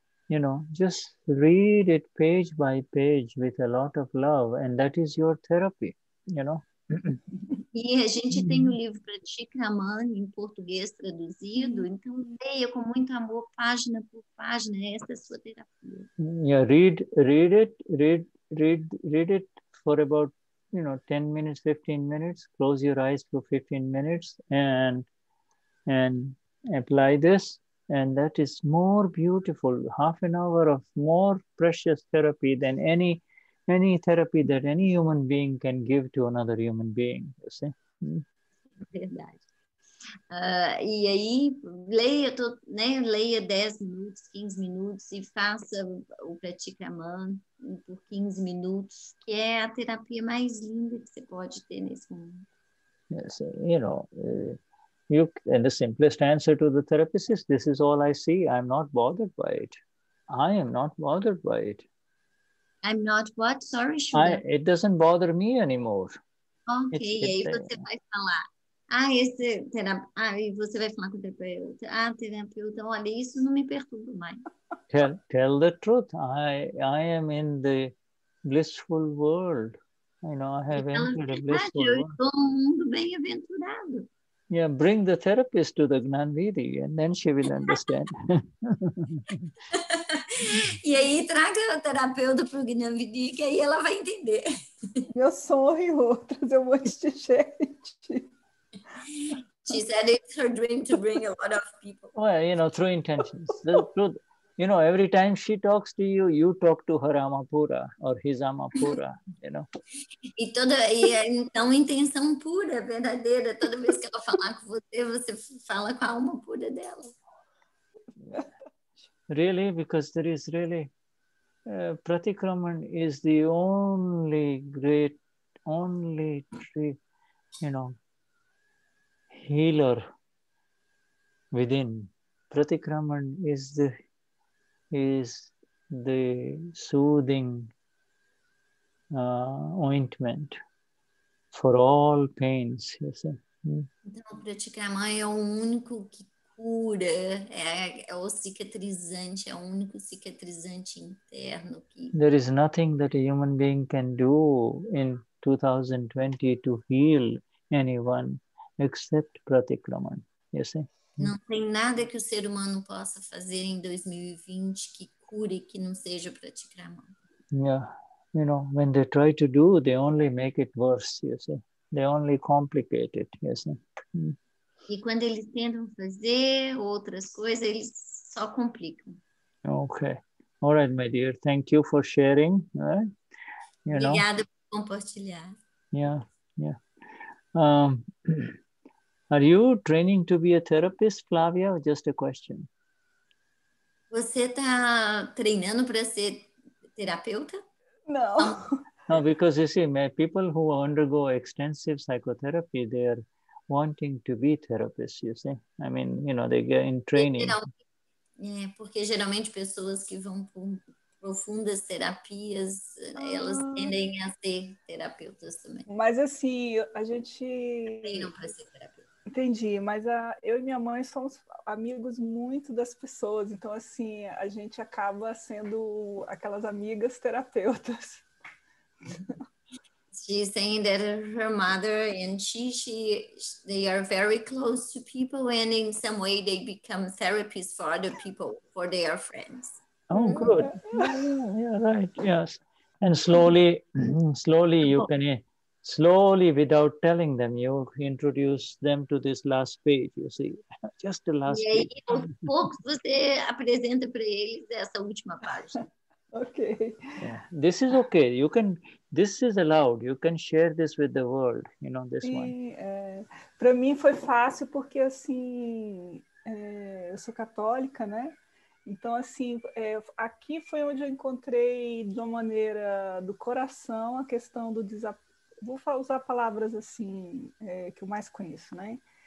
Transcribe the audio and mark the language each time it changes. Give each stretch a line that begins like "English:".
English: You know, just read it page by page with a lot of love, and that is your therapy, you know.
Portuguese: E a gente tem o livro Pratikraman em português traduzido, então leia com muito amor, página por página, essa é a sua terapia.
English: Yeah, read it for about, you know, 10 minutes, 15 minutes, close your eyes for 15 minutes and apply this. And that is more beautiful, half an hour of more precious therapy than any therapy that any human being can give to another human being, you see.
Portuguese: Verdade. E aí, leia, né, leia 10 minutos, 15 minutos e faça o Pratikraman por 15 minutos, que é a terapia mais linda que você pode ter nesse mundo.
English: Yes, you know, you, and the simplest answer to the therapist is, this is all I see, I'm not bothered by it. I am not bothered by it. I'm not what? Sorry, Shuddha. It doesn't bother me anymore.
Portuguese: Ok, você vai falar. E você vai falar com o terapeuta. Ah, terapeuta, olha, isso não me perturba mais.
English: Tell the truth. I am in the blissful world. You know, I have entered a blissful world.
Portuguese: Eu estou num mundo bem-aventurado.
English: Yeah, bring the therapist to the Gnanvidhi and then she will understand.
Portuguese: E aí, traga o terapeuta para o Gnanvidhi, que aí ela vai entender. Eu sonho em outras, eu vou de gente.
English: She said it's her dream to bring a lot of people. Well, you know, through intentions. You know, every time she talks to you, you talk to her Amapura or his Amapura, you know.
Portuguese: E toda, então, intenção pura, verdadeira. Toda vez que ela falar com você, você fala com a alma pura dela.
English: Really? Because there is really... Pratikraman is the only great, only tree, you know, healer within. Pratikraman is the soothing ointment for all pains, you see.
Portuguese: Então, Pratikraman é o único que cura, é o cicatrizante, é o único cicatrizante interno.
English: There is nothing that a human being can do in 2020 to heal anyone except Pratikraman, you see.
Portuguese: Não tem nada que o ser humano possa fazer em 2020 que cure, que não seja Pratikraman.
English: Yeah, you know, when they try to do, they only make it worse, you see. They only complicate it, you see.
Portuguese: E quando eles tentam fazer outras coisas, eles só complicam.
English: Okay. All right, my dear. Thank you for sharing. You know.
Portuguese: Obrigada por compartilhar.
English: Yeah, yeah. Are you training to be a therapist, Flavia, or just a question?
Portuguese: Você está treinando para ser terapeuta?
English: No. No, because you see, people who undergo extensive psychotherapy, they are wanting to be therapists, you see. I mean, you know, they get in training.
Portuguese: Porque geralmente pessoas que vão por profundas terapias, elas tendem a ser terapeutas também. Mas assim, a gente... Treinam para ser terapeuta. Entendi, mas eu e minha mãe somos amigos muito das pessoas, então assim, a gente acaba sendo aquelas amigas terapeutas.
English: She's saying that her mother and she they are very close to people and in some way they become therapists for other people, for their friends. Oh, good. Yeah, right, yes. And slowly you can slowly, without telling them, you introduce them to this last page, you see, just the last page.
Portuguese: E aí, aos poucos, você apresenta para eles essa última página.
English: Okay. Yeah. This is okay. You can, this is allowed. You can share this with the world, you know, this e, one.
Portuguese: Para mim foi fácil porque, assim, eu sou católica, né? Então, assim, aqui foi onde eu encontrei, de uma maneira do coração, a questão do desapego. Vou usar palavras, assim, que eu mais conheço, né?